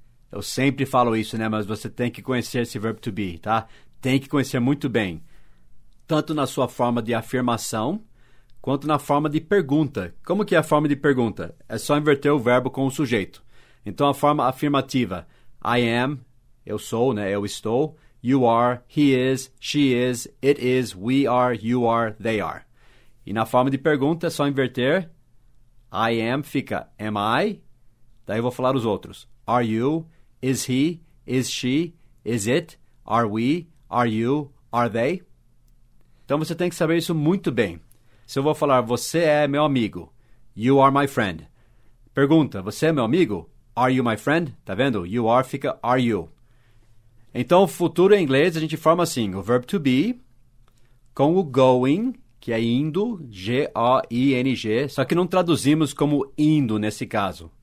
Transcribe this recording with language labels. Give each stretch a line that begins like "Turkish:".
Portuguese: Eu sempre falo isso, né? Mas você tem que conhecer esse verbo to be, tá? Tem que conhecer muito bem. Tanto na sua forma de afirmação, quanto na forma de pergunta. Como que é a forma de pergunta? É só inverter o verbo com o sujeito. Então, a forma afirmativa. I am, eu sou, né? Eu estou.
English: You are, he is, she is, it is, we are, you are, they are.
Portuguese: E na forma de pergunta, é só inverter. I am fica am I, daí eu vou falar os outros.
English: Are you, is he, is she, is it, are we, are you, are they?
Portuguese: Então, você tem que saber isso muito bem. Se eu vou falar, você é meu amigo, you are my friend. Pergunta, você é meu amigo? Are you my friend? Tá vendo? You are fica are you. Então, futuro em inglês, a gente forma assim, o verbo to be com o going, que é indo, G-O-I-N-G, só que não traduzimos como indo nesse caso.